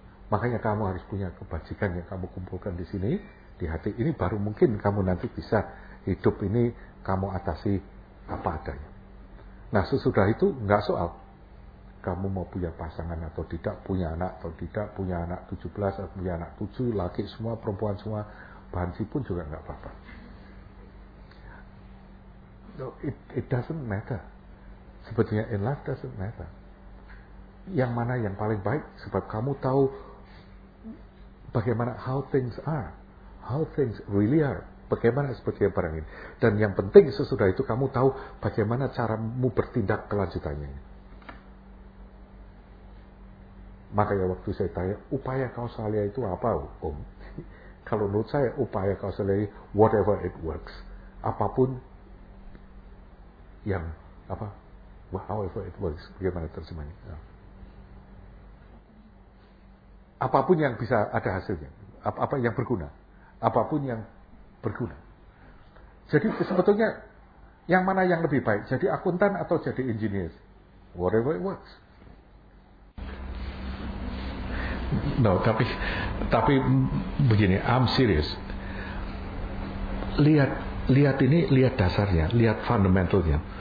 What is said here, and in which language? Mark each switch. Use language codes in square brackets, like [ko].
[id] Makanya kamu harus punya kebajikan yang kamu kumpulkan di sini di hati ini, baru mungkin kamu nanti bisa hidup ini kamu atasi apa adanya. Nah sesudah itu nggak soal kamu mau punya pasangan atau tidak, punya anak atau tidak, punya anak 17 atau punya anak 7, laki semua, perempuan semua, bansi pun juga enggak apa-apa. [en] No, it doesn't matter. Sebetulnya in life doesn't matter. [id] Yang mana yang paling baik, sebab kamu tahu bagaimana [en] how things are, how things really are, [id] bagaimana seperti yang barang ini. Dan yang penting sesudah itu kamu tahu bagaimana caramu bertindak kelanjutannya. Makanya waktu saya tanya, upaya kausalya itu apa, Om? Kalau menurut saya, upaya kausalya ini, [en] whatever it works. [id] Apapun yang, apa, [en] however it works, [id] bagaimana terjemahnya. Apapun yang bisa ada hasilnya, apa yang berguna, apapun yang berguna. Jadi sebetulnya, yang mana yang lebih baik, jadi akuntan atau jadi engineer? [en] Whatever it works. No, [id] tapi begini, [en] I'm serious. [id] Lihat ini, lihat dasarnya, lihat fundamentalnya.